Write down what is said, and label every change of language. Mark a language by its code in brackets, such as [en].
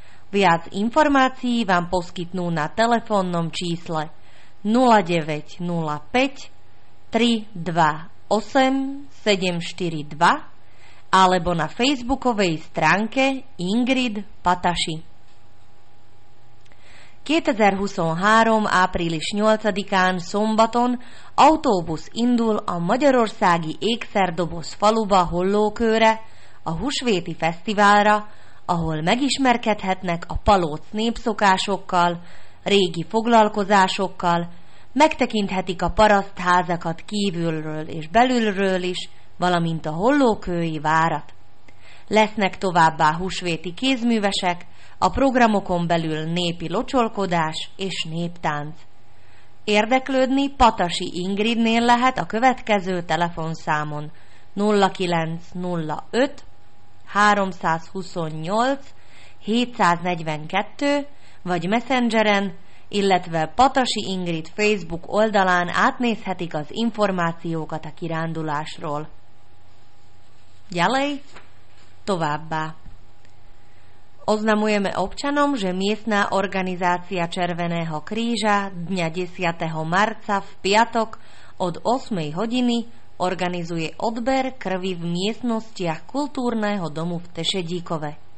[sk] Viac informácií vám poskytnú na telefónnom čísle 0905 328 742 alebo na facebookovej stránke Ingrid Pataši. [hu] 2023. április 8-án szombaton autóbusz indul a magyarországi ékszerdoboz faluba Hollókőre, a Húsvéti Fesztiválra, ahol megismerkedhetnek a palóc népszokásokkal, régi foglalkozásokkal, megtekinthetik a parasztházakat kívülről és belülről is, valamint a hollókői várat. Lesznek továbbá húsvéti kézművesek, a programokon belül népi locsolkodás és néptánc. Érdeklődni Pataši Ingridnél lehet a következő telefonszámon 0905 328 742 vagy Messengeren, illetve Pataši Ingrid Facebook oldalán átnézhetik az információkat a kirándulásról. [sk] Ďalej, [hu] továbbá. [sk] Oznamujeme občanom, že miestna organizácia Červeného kríža dňa 10. marca v piatok od 8. hodiny organizuje odber krvi v miestnostiach kultúrneho domu v Tešedíkove.